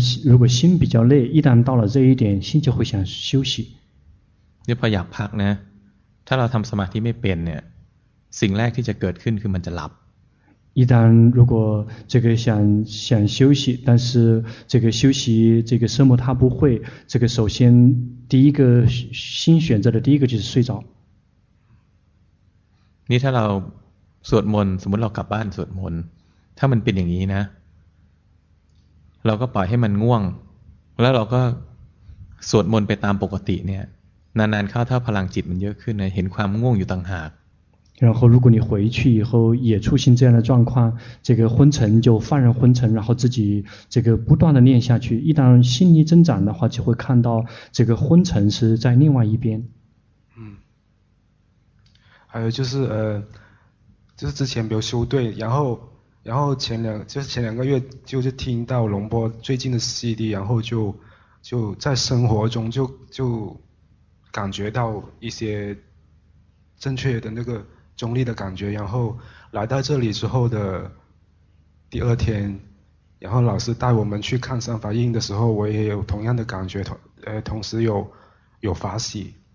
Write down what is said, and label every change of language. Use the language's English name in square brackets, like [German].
[Chinese] 如果心比较累一旦到了这一点心就会想休息 [Thai] นี่พออยากพักนะถ้าเราทำสมาธิไม่เป็นเนี่ยสิ่งแรกที่จะเกิดขึ้นคือมันจะหลับ [Chinese] 一旦如果这个想休息，但是这个休息这个什么他不会，这个首先第一个新选择的第一个就是睡着。 [Thai] นี่ถ้าเราสวดมนต์สมมติเรากลับบ้านสวดมนต์ถ้ามันเป็นอย่างนี้นะเราก็ปล่อยให้มันง่วงแล้วเราก็สวดมนต์ไปตามปกติเนี่ยนานๆเข้าถ้าพลังจิตมันเยอะขึ้นนะเห็นความง่วงอยู่ต่างหาก [Chinese] 然后如果你回去以后也出现这样的状况，这个昏沉就放任昏沉，然后自己这个不断的念下去，一旦心力增长的话，就会看到这个昏沉是在另外一边。嗯，还有就是就是之前没有修对，然后前两个月就听到龙波最近的 CD， 然后就在生活中就感觉到一些正确的那个中立的感觉，然后来到这里之后的第二天，然后老师带我们去看三法印的时候，我也有同样的感觉，同时有法喜。